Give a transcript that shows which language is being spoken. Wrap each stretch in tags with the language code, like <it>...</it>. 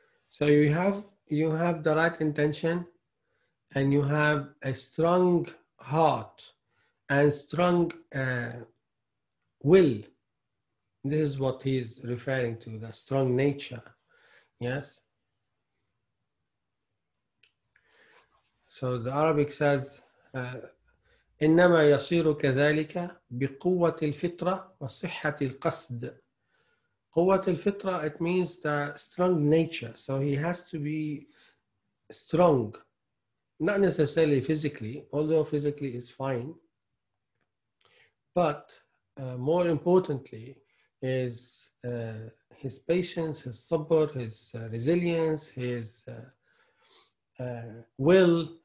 <en>So you have the right intention, and you have a strong heart and strong will. This is what he's referring to, the strong nature. Yes? So the Arabic says,</en> <ar>إِنَّمَا يَصِيرُ كَذَلِكَ بِقُوَّةِ الْفِطْرَةِ وَصِحَّةِ الْقَصْدِ.</ar> <en>قُوَّةِ الْفِطْرَةِ, it means the strong nature. So he has to be strong. Not necessarily physically, although physically is fine. But more importantly is his patience, his sabr, his resilience, his will.</en>